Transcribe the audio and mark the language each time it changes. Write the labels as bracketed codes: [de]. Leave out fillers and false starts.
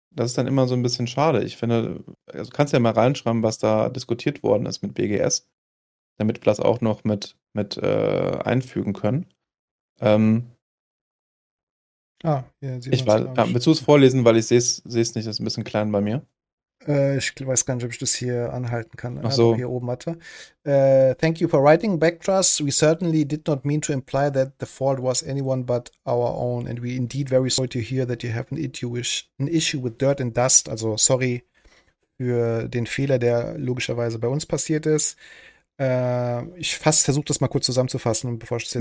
[de] Das ist dann immer so ein bisschen schade. Ich finde, also kannst ja mal reinschreiben, was da diskutiert worden ist mit BGS, damit wir das auch noch mit einfügen können. Willst du es vorlesen, weil ich sehe es nicht, das ist ein bisschen klein bei mir. Ich weiß gar nicht, ob ich das hier anhalten kann. Ach so. Hier oben hatte. [en] Thank you for writing back to us. We certainly did not mean to imply that the fault was anyone but our own. And we indeed very sorry to hear that you have an issue with dirt and dust. [de] Also sorry für den Fehler, der logischerweise bei uns passiert ist. Ich versuche das mal kurz zusammenzufassen, bevor ich das